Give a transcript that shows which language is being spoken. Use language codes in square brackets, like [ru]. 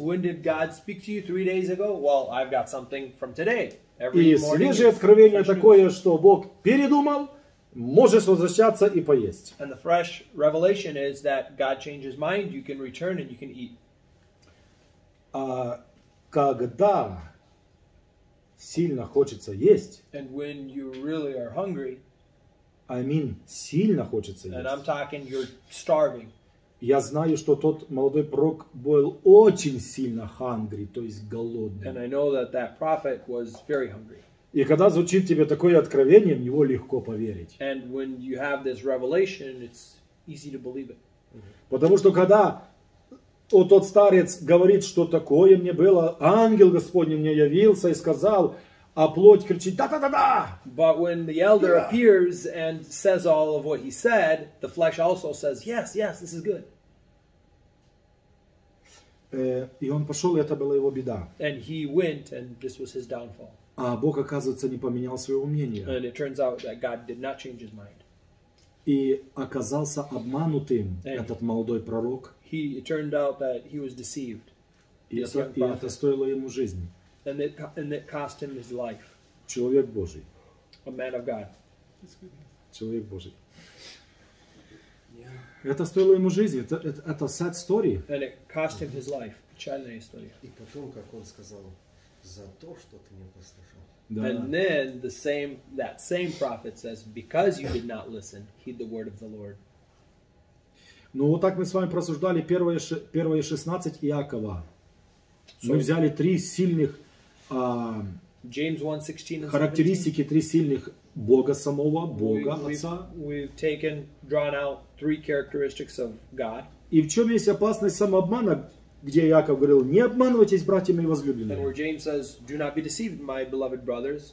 [en] When did God speak to you 3 days ago? Well, I've got something from today. [ru] Every и свежее откровение такое, что Бог передумал, можешь возвращаться и поесть. [en] And the fresh revelation is that God changed his mind, you can return and you can eat. [ru] Когда сильно хочется есть. [en] And when you really are hungry. I mean, [ru] сильно хочется [en] and [ru] есть. [en] And I'm talking, you're starving. [ru] Я знаю, что тот молодой пророк был очень сильно hungry, то есть голодный. [en] And I know that that prophet was very hungry. [ru] И когда звучит тебе такое откровение, в него легко поверить. [en] And when you have this revelation, it's easy to believe it. [ru] Потому что когда вот тот старец говорит, что такое мне было. Ангел Господний мне явился и сказал, а плоть кричит, да-да-да-да! [en] But when the elder appears and says all of what he said, the flesh also says, yes, yes, this is good. [ru] И он пошел, и это была его беда. [en] And he went, and this was his downfall. [ru] А Бог, оказывается, не поменял своего мнения. [en] And it turns out that God did not change his mind. [ru] И оказался обманутым [en] and [ru] этот молодой пророк. [en] It turned out that he was deceived. [ru] И это стоило ему жизни. [en] And it cost him his life. [ru] Человек Божий. [en] A man of God. [ru] Человек Божий. Yeah. Это стоило ему жизни. Это [en] sad story. And it cost him his life. [ru] Печальная история. И потом, как он сказал, за то, что ты не послушал. Да. [en] And then that same prophet says, because you did not listen, heed the word of the Lord. [ru] Ну вот так мы с вами просуждали первые 16 Иакова. Мы взяли три сильных [en] James 1:16 and [ru] характеристики, три сильных Бога самого, Бога Отца. [en] Drawn out three characteristics of God. [ru] И в чем есть опасность самообмана, где Иаков говорил, не обманывайтесь, братья мои возлюбленные. [en] And where James says, do not be deceived, my beloved brothers.